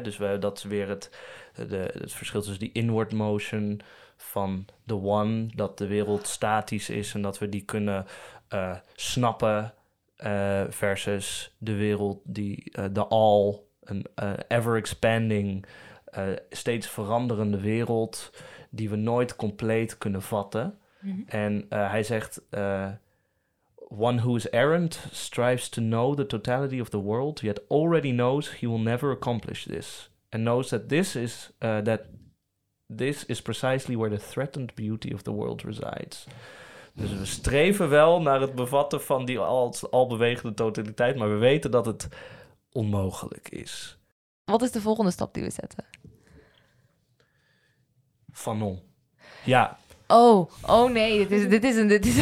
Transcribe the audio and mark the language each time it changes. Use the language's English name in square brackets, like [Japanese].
[Dutch] Dus dat is weer het verschil tussen die [English] inward motion [Dutch] van the one, dat de wereld statisch is en dat we die kunnen snappen, versus de wereld die de all, een [English] ever expanding, [Dutch] steeds veranderende wereld die we nooit compleet kunnen vatten. Mm-hmm. En hij zegt, [English] one who is errant strives to know the totality of the world, yet already knows he will never accomplish this. And knows that this is precisely where the threatened beauty of the world resides. [Dutch] Dus we streven wel naar het bevatten van die al bewegende totaliteit, maar we weten dat het onmogelijk is. Wat is de volgende stap die we zetten? Fanon. Ja. Oh nee, dit is een...